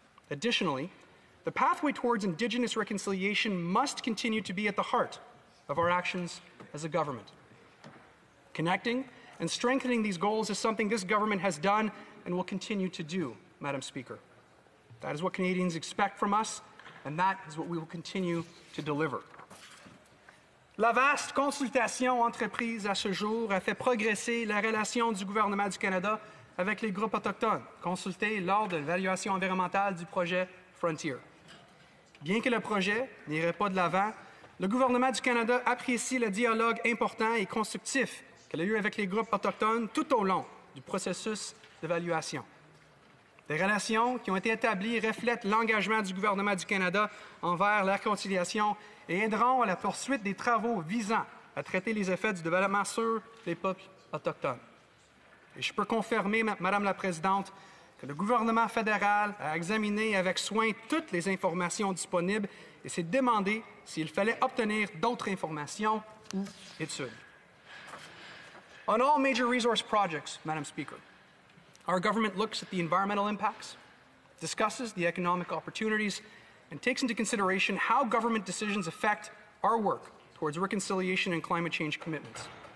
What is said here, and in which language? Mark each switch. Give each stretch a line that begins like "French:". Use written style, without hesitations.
English: Additionally, the pathway towards Indigenous reconciliation must continue to be at the heart of our actions as a government. Connecting and strengthening these goals is something this government has done and will continue to do, Madam Speaker. That is what Canadians expect from us, and that is what we will continue to deliver.
French: La vaste consultation entreprise à ce jour a fait progresser la relation du gouvernement du Canada avec les groupes autochtones consultés lors de l'évaluation environnementale du projet Frontier. Bien que le projet n'irait pas de l'avant, le gouvernement du Canada apprécie le dialogue important et constructif qu'elle a eu avec les groupes autochtones tout au long du processus d'évaluation. Les relations qui ont été établies reflètent l'engagement du gouvernement du Canada envers la réconciliation et aideront à la poursuite des travaux visant à traiter les effets du développement sur les peuples autochtones. Et je peux confirmer, Madame la Présidente, que le gouvernement fédéral a examiné avec soin toutes les informations disponibles et s'est demandé s'il fallait obtenir d'autres informations ou études.
English: On all major resource projects, Madame Speaker, our government looks at the environmental impacts, discusses the economic opportunities, and takes into consideration how government decisions affect our work towards reconciliation and climate change commitments.